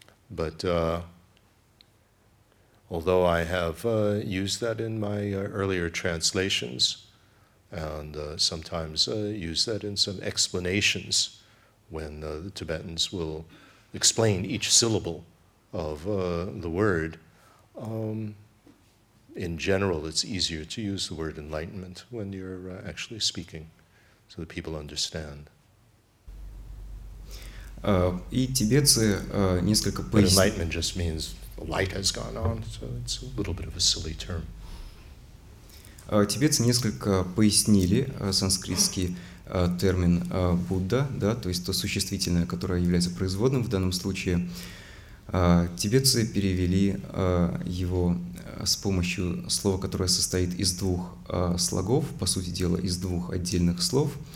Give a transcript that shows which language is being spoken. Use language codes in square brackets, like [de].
[en] But although I have used that in my earlier translations, and sometimes use that in some explanations when the Tibetans will explain each syllable of the word, in general, it's easier to use the word enlightenment when you're actually speaking, so that people understand. [ru] И тибетцы несколько пояснили. [en] But enlightenment just means the light has gone on, so it's a little bit of a silly term. [ru] Тибетцы несколько пояснили санскритский термин Будда, да, то есть то существительное, которое является производным в данном случае. Тибетцы перевели его с помощью слова, которое состоит из двух слогов, по сути дела, из двух отдельных слов.